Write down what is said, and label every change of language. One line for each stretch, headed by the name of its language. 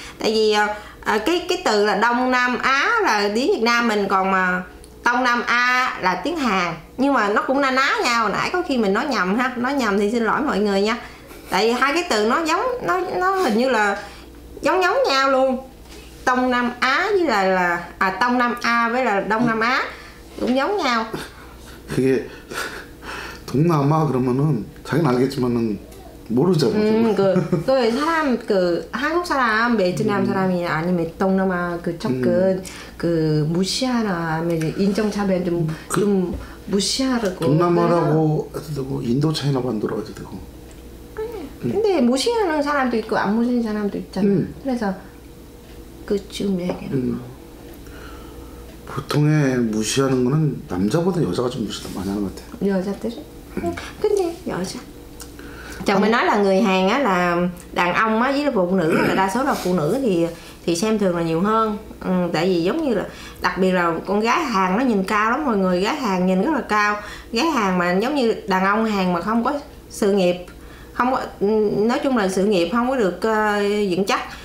Vietnamese: Tại vì cái từ là Đông Nam Á là tiếng Việt Nam mình, còn mà Đông Nam A là tiếng Hàn. Nhưng mà nó cũng na ná nhau, nãy có khi mình nói nhầm ha, nói nhầm thì xin lỗi mọi người nha. Tại vì hai cái từ nó giống, nó hình như là giống nhau luôn. Đông Nam Á với là Đông Nam A với là Đông Nam Á cũng giống nhau.
Korean: 그게 동남아 그러면은 자기는 알겠지만은 모르죠. 그 사람 그 한국 사람, 베트남 사람이 아니면 동남아 그 접근 그 무시하나 아니면 인종 차별 좀 무시하라고. 동남아라고 해도 되고 인도 차이나 반도라고 해도 되고. 근데 무시하는 사람도 있고 안 무시하는 사람도 있잖아. 그래서 그쯤 얘기는. 보통에 무시하는 거는 남자보다 여자가 좀 무시 많이 하는 것 같아. 여자들? 근데 여자.
Vietnamese: Chồng mình nói là người Hàn á là đàn ông á với là phụ nữ, là đa số là phụ nữ thì xem thường là nhiều hơn. Tại vì giống như là đặc biệt là con gái Hàn nó nhìn cao lắm mọi người, gái Hàn nhìn rất là cao. Gái Hàn mà giống như đàn ông Hàn mà không có sự nghiệp, không có, nói chung là sự nghiệp không có được vững chắc.